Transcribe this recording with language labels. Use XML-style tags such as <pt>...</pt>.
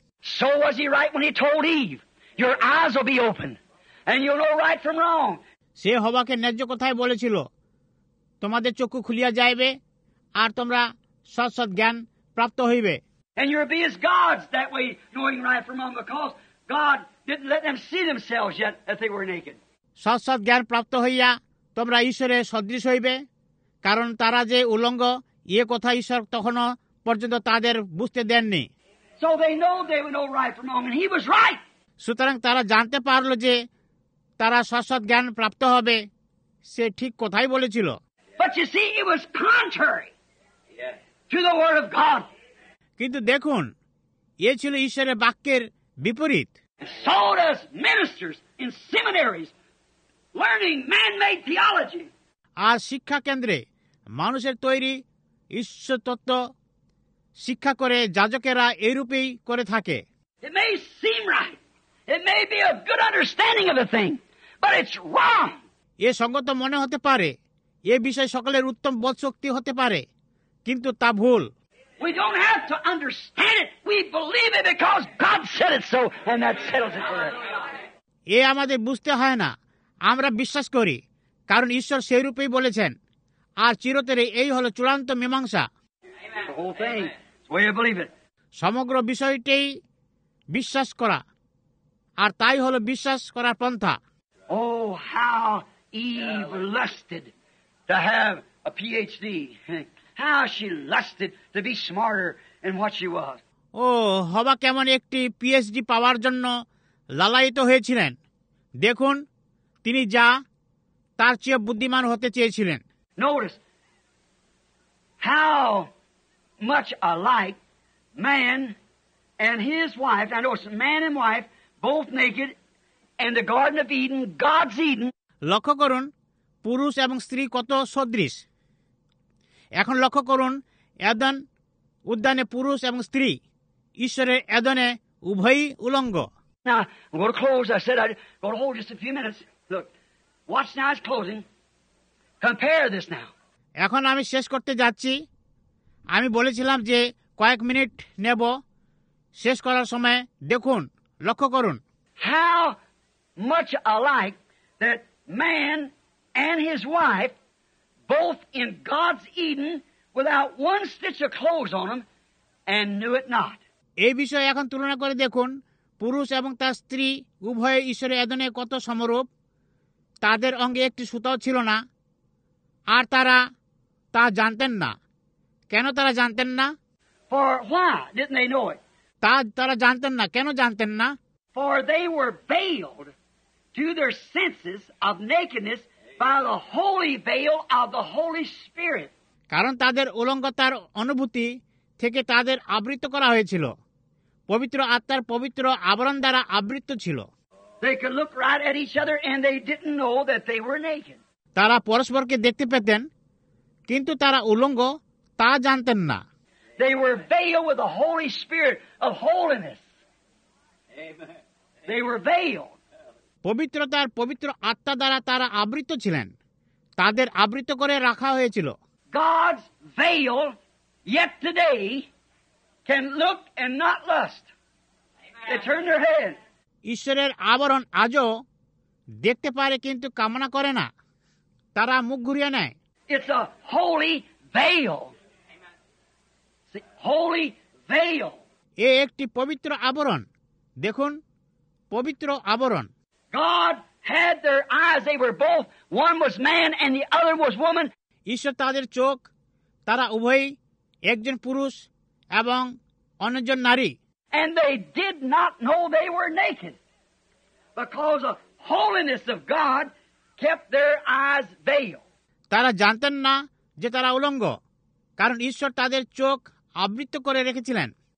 <en>So was he right when he told Eve, your eyes will be open and you'll know right from wrong.</en> <bn>সে হবাকে ন্যায্য কথাই বলেছিল, তোমাদের চক্ষু খুলিয়া যাইবে আর তোমরা সৎ সৎ জ্ঞান প্রাপ্ত হইবে।</bn> <en>And you'll be as gods that way, knowing right from wrong, because God didn't let them see themselves yet that they were naked.</en> <bn>সৎ সৎ জ্ঞান প্রাপ্ত হইয়া তোমরা ঈশ্বরে সদৃশ হইবে, কারণ তারা যে উলঙ্গ ইয়ে কথা ঈশ্বর তখন পর্যন্ত তাদের বুঝতে দেননি।</bn> <en>So they know they were no right from wrong, and he was right.</en> <bn>সুতরাং তারা জানতে পারল যে তারা সৎ জ্ঞান প্রাপ্ত হবে, সে ঠিক কথাই বলেছিল।</bn> <en>But you see, it was contrary to the word of God.</en> <bn>কিন্তু দেখুন, এ ছিল ঈশ্বরের বাক্যের বিপরীত।</bn> <en>So does ministers in seminaries learning man-made theology.</en> <bn>আর শিক্ষা কেন্দ্রে মানুষের তৈরি ঈশ্বর তত্ত্ব শিক্ষা করে যাজকেরা এইরূপেই করে থাকে।</bn> <en>It may seem right. It may be a good understanding of the thing, but it's wrong.</en> <bn>এ সঙ্গত মনে হতে পারে, এ বিষয় সকলের উত্তম বোধশক্তি হতে পারে, কিন্তু তা ভুল।</bn> <en>We don't have to understand it. We believe it because God said it so, and that settles it for us.</en> <bn>এ আমাদের বুঝতে হয় না, আমরা বিশ্বাস করি, কারণ ঈশ্বর সেই রূপেই বলেছেন, আর চিরতরে এই হলো চূড়ান্ত মীমাংসা।</bn> <en>The whole thing, it's the way you believe it.</en> <bn>সমগ্র বিষয়টি বিশ্বাস করা, আর তাই হলো বিশ্বাস করার পন্থা।</bn> <en>Oh, how Eve lusted to have a PhD. How she lusted to be smarter in what she was.</en> <bn>Oh, হবা কেমন একটি PhD পাওয়ার জন্য লালায়িত হয়েছিলেন। দেখুন, তিনি যা তার চেয়ে বুদ্ধিমান হতে চেয়েছিলেন।</bn> <en>Notice how much alike man and his wife, and also man and wife, both naked in the Garden of Eden, God's Eden.</en> <bn>লক্ষ্য করুন, পুরুষ এবং স্ত্রী কত সদৃশ। এখন লক্ষ্য করুন, এদেন উদ্যানে পুরুষ এবং স্ত্রী, ঈশ্বরের এদেনে উভয়ই উলঙ্গ।</bn> <en>Now, I'm going to close. I said I'd go to hold just a few minutes. Look, watch now, it's closing. Compare this now.</en> <bn>এখন আমি শেষ করতে যাচ্ছি। আমি বলেছিলাম যে কয়েক মিনিট নেব, শেষ করার সময় দেখুন, লক্ষ্য করুন।</bn> <en>How much alike that man and his wife, both in God's Eden, without one stitch of clothes on them, and knew it not.</en> <bn>এই বিষয়ে এখন তুলনা করে দেখুন, পুরুষ এবং তার স্ত্রী উভয়ে ঈশ্বরের এদনে কত সমরূপ। তাদের অঙ্গে একটি সুতাও ছিল না, আর তারা তা জানতেন না। কেন তারা জানতেন না?</bn> <en>For why didn't they know it?</en> <bn>তারা জানতেন না, কেন জানতেন না?</bn> <en>For they were veiled to their senses of nakedness by the holy veil of the Holy Spirit.</en> <bn>কারণ তাদের উলঙ্গতার অনুভূতি থেকে তাদের আবৃত করা হয়েছিল, পবিত্র আত্মার পবিত্র আবরণ দ্বারা আবৃত ছিল।</bn> <en>They could look right at each other and they didn't know that they were naked.</en> <bn>তারা পরস্পরকে দেখতে পেতেন, কিন্তু তারা উলঙ্গ তা জানতেন না।</bn> <en>They were veiled with the Holy Spirit of holiness. Amen. They were veiled.</en> <bn>পবিত্রতার পবিত্র আত্মা দ্বারা তারা আবৃত ছিলেন, তাদের আবৃত করে রাখা হয়েছিল।</bn> <en>God's veil yet today can look and not lust. They turn their head.</en> <bn>ঈশ্বরের আবরণ আজও দেখতে পারে কিন্তু কামনা করে না, তারা মুখ ঘুরিয়ে নেয়।</bn> <en>It's a holy veil. Holy veil.</en> <bn>এ একটি পবিত্র আবরণ, দেখুন, পবিত্র আবরণ।</bn> <en>God had their eyes, they were both, one was man and the other was woman.</en> <bn>ঈশ্বর তাদের চোখ, তারা উভয়ই একজন পুরুষ এবং অন্যজন নারী।</bn> <en>And they did not know they were naked because the holiness of God kept their eyes veiled.</en> <bn>তারা জানতেন না যে তারা উলঙ্গ, কারণ ঈশ্বর তাদের চোখ আবৃত করে রেখেছিলেন।</bn>